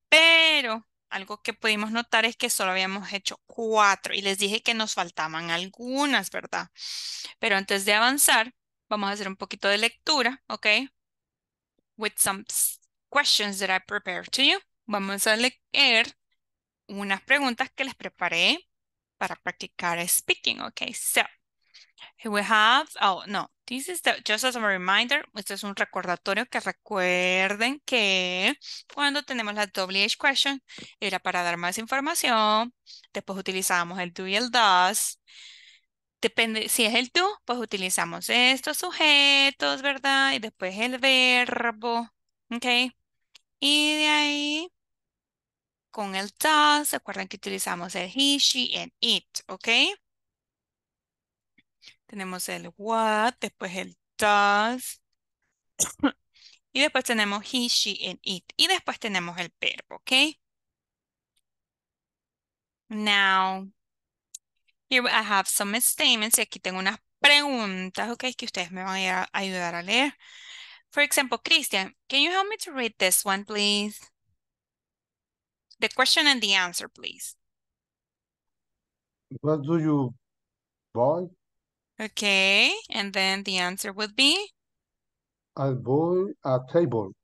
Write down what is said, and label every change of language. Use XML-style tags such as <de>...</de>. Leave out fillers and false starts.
<es>Pero algo que pudimos notar es que solo habíamos hecho 4 y les dije que nos faltaban algunas, ¿verdad? Pero antes de avanzar, vamos a hacer un poquito de lectura, ¿ok?</es> <en>With some questions that I prepared to you.</en> <es>Vamos a leer unas preguntas que les preparé para practicar speaking, ¿ok?</es> <en>So, we have, oh, no, this is the, just as a reminder,</en> <es>este es un recordatorio que recuerden que cuando tenemos la WH question, era para dar más información, después utilizamos el do y el does. Depende, si es el do, pues utilizamos estos sujetos, ¿verdad? Y después el verbo, ¿ok? Y de ahí, con el does, ¿se acuerdan que utilizamos el</es> <en>he, she, and it,</en> <es>¿ok? Tenemos el what, después el does. Y después tenemos</es> <en>he, she, and it.</en> <es>Y después tenemos el verbo, ¿ok?</es> <en>Now, here I have some statements.</en> <es>Y aquí tengo unas preguntas, ¿ok? Que ustedes me van a ayudar a leer.</es> <en>For example, Christian, can you help me to read this one, please? The question and the answer, please. What do you buy? Okay, and then the answer would be? I buy a table.</en>